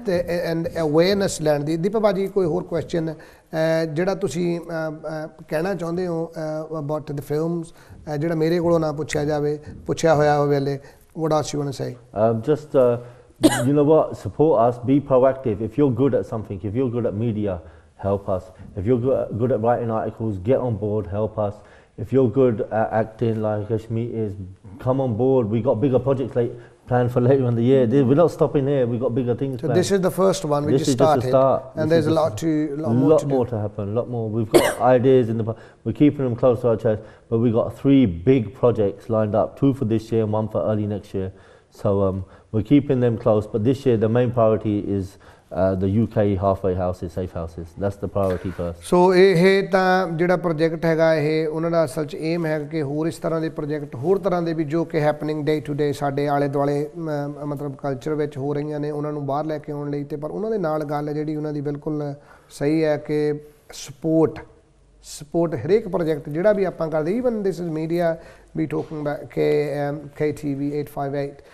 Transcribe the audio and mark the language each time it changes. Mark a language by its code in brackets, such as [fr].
[pa] And awareness ਲੈਣ ਦੀ. ਦੀਪਾ ਭਾਅ ਜੀ, ਕੋਈ ਹੋਰ ਕੁਐਸਚਨ ਜਿਹੜਾ ਤੁਸੀਂ ਕਹਿਣਾ ਚਾਹੁੰਦੇ ਹੋ [en] about the films, [pa] ਜਿਹੜਾ ਮੇਰੇ ਕੋਲੋਂ ਨਾ ਪੁੱਛਿਆ ਜਾਵੇ, ਪੁੱਛਿਆ ਹੋਇਆ ਹੋਵੇ ਹਲੇ? [en] What as you want to say? Just you know what, support us, be proactive. If you are good at something, if you are good at media, help us. If you're good at writing articles, get on board, help us. If you're good at acting like Ashmi is, come on board. We got bigger projects, like planned for later in the year. Mm-hmm. We're not stopping here. We've got bigger things planned. This is the first one. We this just is started. Just a start. And there's a lot to lot more to happen. A lot more. We've got ideas in the. We're keeping them close to our chest. But we've got three big projects lined up: two for this year, and one for early next year. So we're keeping them close. But this year, the main priority is. The UK halfway houses, safe houses. That's the priority first. So [pa] ਇਹ ਤਾਂ ਜਿਹੜਾ project ਹੈਗਾ ਇਹ ਉਹਨਾਂ ਦਾ ਅਸਲ 'ਚ aim ਹੈ ਕਿ ਹੋਰ ਇਸ ਤਰ੍ਹਾਂ ਦੇ ਪ੍ਰੋਜੈਕਟ ਹੋਰ ਤਰ੍ਹਾਂ ਦੇ ਵੀ ਜੋ ਕਿ [en] happening day to day [pa] ਸਾਡੇ ਆਲੇ ਦੁਆਲੇ ਮਤਲਬ ਕਲਚਰ ਵਿੱਚ ਹੋ ਰਹੀਆਂ ਨੇ ਉਹਨਾਂ ਨੂੰ ਬਾਹਰ ਲੈ ਕੇ ਆਉਣ ਲਈ ਅਤੇ ਪਰ ਉਹਨਾਂ ਦੇ ਨਾਲ ਗੱਲ ਜਿਹੜੀ ਉਹਨਾਂ ਦੀ ਬਿਲਕੁਲ ਸਹੀ ਹੈ ਕਿ ਸਪੋਰਟ ਹਰੇਕ ਪ੍ਰੋਜੈਕਟ ਜਿਹੜਾ ਵੀ ਆਪਾਂ ਕਰਦੇ [en] even this is media [pa] we [en] talking back [pa] K T V 858